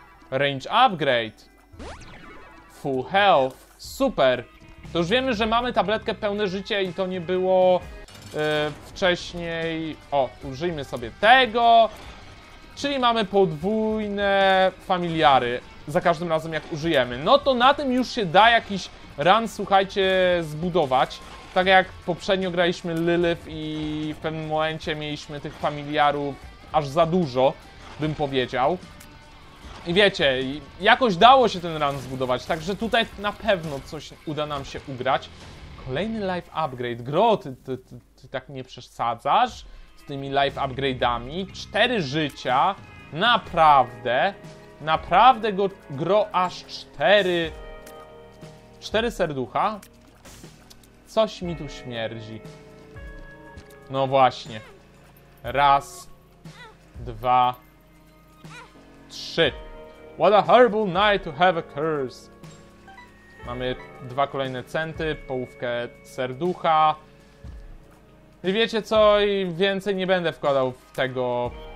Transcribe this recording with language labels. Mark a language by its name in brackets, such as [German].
[English] Range upgrade. Full health. Super. [Polish] To już wiemy, że mamy tabletkę pełne życie i to nie było wcześniej. O, użyjmy sobie tego. Czyli mamy podwójne familiary za każdym razem, jak użyjemy. No to na tym już się da jakiś run, słuchajcie, zbudować. Tak jak poprzednio graliśmy Lilith i w pewnym momencie mieliśmy tych familiarów aż za dużo, bym powiedział. I wiecie, jakoś dało się ten run zbudować, także tutaj na pewno coś uda nam się ugrać. Kolejny life upgrade. Gro, ty tak nie przesadzasz z tymi life upgrade'ami. 4 życia, naprawdę. Naprawdę go, gro, aż 4. 4 serducha. Coś mi tu śmierdzi. No właśnie. Raz, 2, 3. [English] What a horrible night to have a curse. [Polish] Mamy 2 kolejne centy, połówkę serducha. I wiecie co, i więcej nie będę wkładał w tego.